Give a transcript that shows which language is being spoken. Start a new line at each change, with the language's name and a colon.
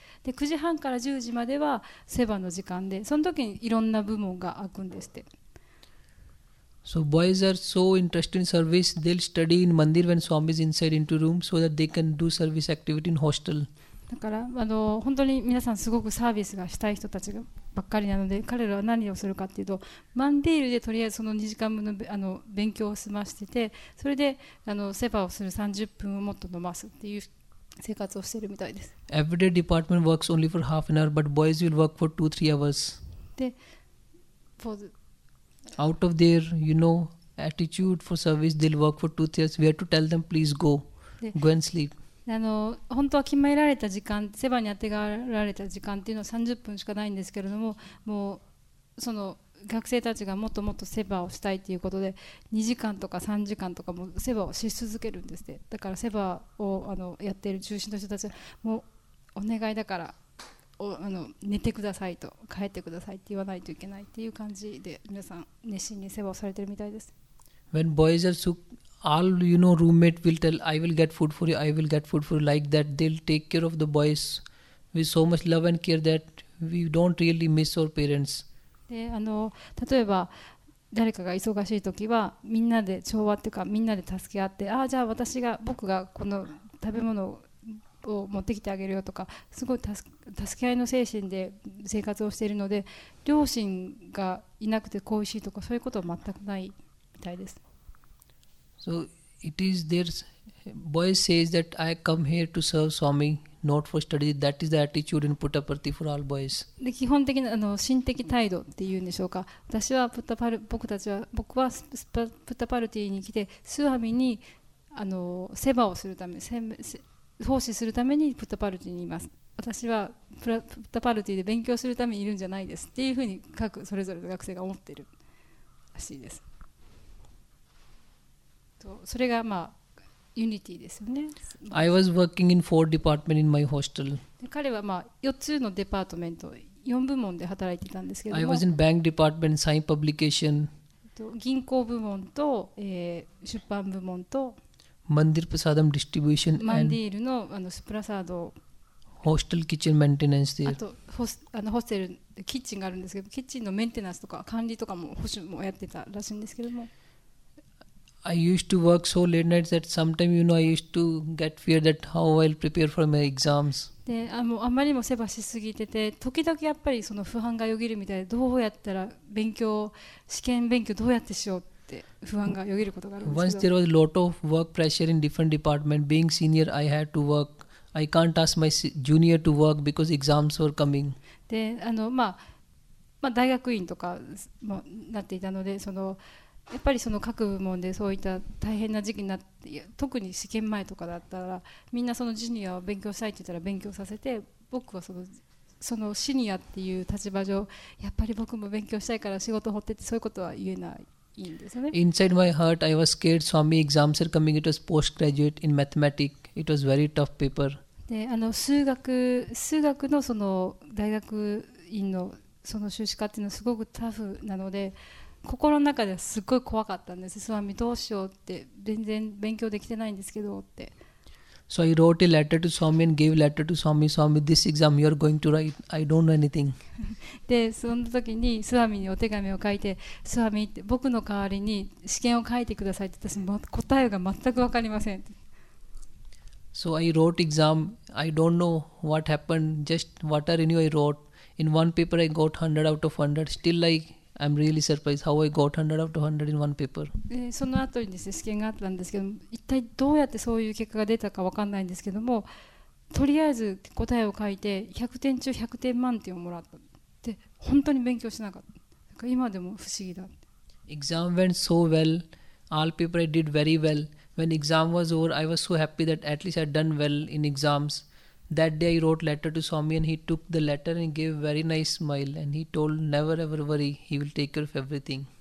Japanese: で9時半から10時まではセバの時間で、その時にいろんな部門が開くんですって。
English: So boys are so interested in service, they'll study in mandir when Swami is inside into room so that they can do service activity in hostel.
Japanese: だから本当に皆さんすごくサービスがしたい人たちばっかりなので、彼らは何をするかっていうと、マンディールでとりあえずその2時間分 の, 勉強を済ませてて、それでセバをする30分をもっと伸ばすっていう生活をしているみたいです。
English: Everyday department works only for half an hour, but boys will work for 2-3 hours.
Japanese: で、ポーズ。
English: Out of their, you know, attitude for service, they'll work for 2 years. We have to tell them, please go, go and sleep.
Japanese: 本当は決められた時間、セバに当てがられた時間っていうのは30分しかないんですけれども、もうその学生たちがもっともっとセバをしたいということで、2時間とか3時間とかもセバをし続けるんですね。だからセバをやっている中心の人たちは、もうお願いだから、寝てくださいと帰ってくださいって言わないといけないっていう感じで、皆さん熱心に世話をされてるみたいです。
English: When boys are so, all you know roommate will tell I will get food for you, I will get food for you, like that they'll take care of the boys with so much love and care that we don't really miss our parents.
Japanese: で例えば誰かが忙しい時はみんなで調和っていうか、みんなで助け合って、ああじゃあ私が僕がこの食べ物をを持ってきてあげるよとか、すごい助け合いの精神で生活をしているので、両親がいなくて恋しいとかそういうことは全くないみたいです。
English: So it is their boy says that I come here to serve Swami, not for study. That is the attitude in Puttaparthi for all boys.
Japanese: で基本的な心的態度っていうんでしょうか。私はプタパル、僕たちは僕はプタパルティに来てスワミにセバをするため、奉仕するためにプタパルティにいます。私はプタパルティで勉強するためにいるんじゃないですっていうふうに各それぞれの学生が思っているらしいです。とそれがまあユニティですよね。
English: I was working in 4 department in my hostel.
Japanese: 彼はまあ4つのデパートメント4部門で働いていたんですけども、
English: I was in bank department, sign publication.
Japanese: 銀行部門と、出版部門と
English: Mandir Prasadam distribution and
Japanese: Mandir のスプラサード
English: Hostel kitchen maintenance there.
Japanese: あとホステルでキッチンがあるんですけど、キッチンのメンテナンスとか管理とかも保守もやってたらしいんですけども。
English: I used to work so late nights that sometimes you know I used to get fear that how I'll prepare for my exams.
Japanese: で、あまりもセバしすぎてて、時々やっぱりその不安がよぎるみたいで、どうやったら勉強、試験勉強どうやってしよう。不安がよぎることがあるんですけど、
English: Once there was a lot of work pressure in different department. Being senior, I had to work. I can't ask my junior to work because exams were coming.
Japanese: で、大学院とかもなっていたので、やっぱりその各部門でそういった大変な時期になって、特に試験前とかだったら、みんなそのジュニアを勉強したいって言ったら勉強させて、僕はそのシニアっていう立場上、やっぱり僕も勉強したいから仕事を放ってって、そういうことは言えない。
English: Inside my heart, I was scared. Swami exams are coming. It was postgraduate in mathematics. It was very tough paper.
Japanese: で、数学のその大学院のその修士課っていうのはすごくタフなので、心の中ではすごい怖かったんです。スワミどうしようって全然勉強できてないんですけどって。
English: So I wrote a letter to Swami and gave a letter to Swami. Swami, this exam you are going to write, I don't know anything.
Japanese: で、その時にスワミにお手紙を書いて、スワミって僕の代わりに試験を書いてくださいって、私も答えが全く分かりません。
English: So I wrote exam. I don't know what happened. Just what are new I wrote. In one paper I got 100 out of 100. Still like... I'm really surprised how I got 100 out of 100 in one paper.
Japanese: その後にですね、試験があったんですけど、一体どうやってそういう結果が出たか分かんないんですけども、とりあえず答えを書いて100点中100点満点をもらった。で、本当に勉強しなかった。だから今でも不思議だ。
English: Exam went so well. All paper I did very well. When exam was over, I was so happy that at least I'd done well in exams. That day I wrote letter to Swami and he took the letter and gave a very nice smile and he told never ever worry, he will take care of everything.